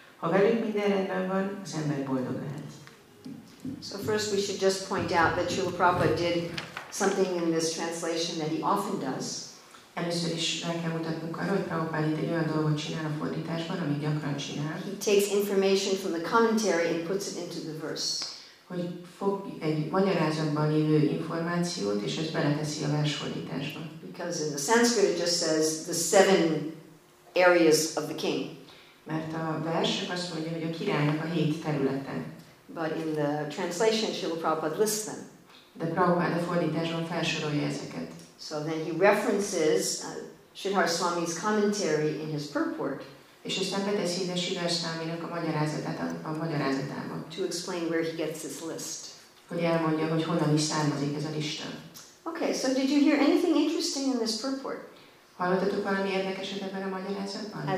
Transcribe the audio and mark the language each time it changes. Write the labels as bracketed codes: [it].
[hu] Ha velük minden rendben van, az ember boldog lehet. [en] So first we should just point out that Srila Prabhupada did something in this translation that he often does. [hu] Először is el kell mutatnunk arra, hogy Prabhupada itt egy olyan dolgot csinál a fordításban, amit gyakran csinál. [en] He takes information from the commentary and puts it into the verse. [hu] Hogy fog egy magyarázatban lévő információt, és ezt beleteszi a versfordításba. [en] Because in the Sanskrit it just says the seven areas of the king. [hu] Mert a vers azt mondja, hogy a királynak a hét területe. [en] But in the translation Srila Prabhupada lists them. [hu] De Prabhupada fordításban felsorolja ezeket. [en] So then he references Sridhar Swami's commentary in his purport. [hu] És aztán beteszi ide Sridhar Swaminak a magyarázatát a magyarázatában. [en] To explain where he gets this list. [hu] Hogy elmondja, hogy honnan is származik ez a lista. [en] Okay, so did you hear anything interesting in this purport? [hu] Hallottatok valami érdekeset ebben a magyarázatban?